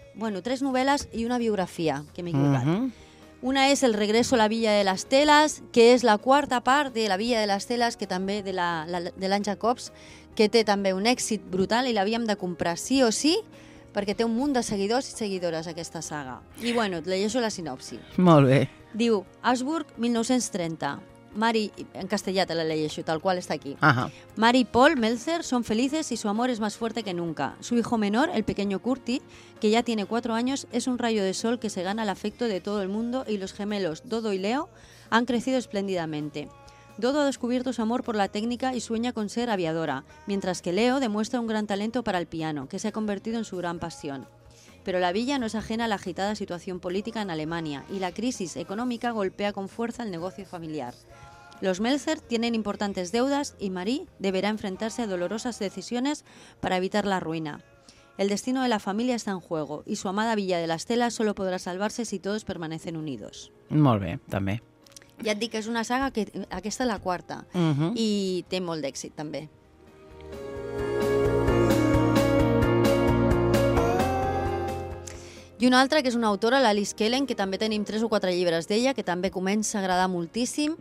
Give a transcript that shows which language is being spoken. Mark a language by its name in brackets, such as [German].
[Catalan] Bueno, tres novel·les i una biografia, que m'he equivocat. Mm-hmm. Una és El regreso a la Villa de las Telas, que és la quarta part de La Villa de las Telas, que també de l'Anne Jacobs, que té també un èxit brutal i l'havíem de comprar sí o sí, perquè té un munt de seguidors i seguidores aquesta saga. I bueno, et llegeixo la sinopsi. Molt bé. Diu, Habsburg, 1930. Mari, en castellà te la llegeixo, tal qual està aquí. Ajá. [Spanish] Mari y Paul Meltzer son felices y su amor es más fuerte que nunca. Su hijo menor, el pequeño Curti, que ya tiene 4 años, es un rayo de sol que se gana el afecto de todo el mundo y los gemelos Dodo y Leo han crecido espléndidamente. Dodo ha descubierto su amor por la técnica y sueña con ser aviadora, mientras que Leo demuestra un gran talento para el piano, que se ha convertido en su gran pasión. Pero la villa no es ajena a la agitada situación política en Alemania y la crisis económica golpea con fuerza el negocio familiar. Los Meltzer tienen importantes deudas y Marie deberá enfrentarse a dolorosas decisiones para evitar la ruina. El destino de la familia está en juego y su amada Villa de las Telas solo podrá salvarse si todos permanecen unidos. [Catalan] Molt bé, també. Ja et dic que és una saga que aquesta és la quarta, uh-huh, i té molt d'èxit també. I una altra, que és una autora, l'Alice Kellen, que també tenim 3 o 4 llibres d'ella, que també comença a agradar moltíssim.